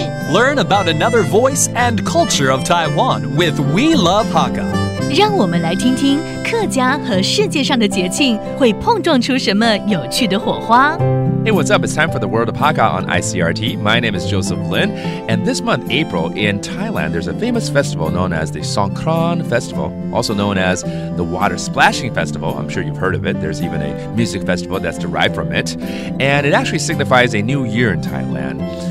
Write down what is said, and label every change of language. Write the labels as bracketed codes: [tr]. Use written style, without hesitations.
[en] Learn about another voice and culture of Taiwan with We Love Hakka. [zh] 让我们来听听客家和世界上的节庆会碰撞出什么有趣的火花。 [en] Hey, what's up? It's time for the World of Hakka on ICRT. My name is Joseph Lin, and this month, April, in Thailand, there's a famous festival known as the Songkran Festival, also known as the Water Splashing Festival. I'm sure you've heard of it. There's even a music festival that's derived from it. And it actually signifies a new year in Thailand.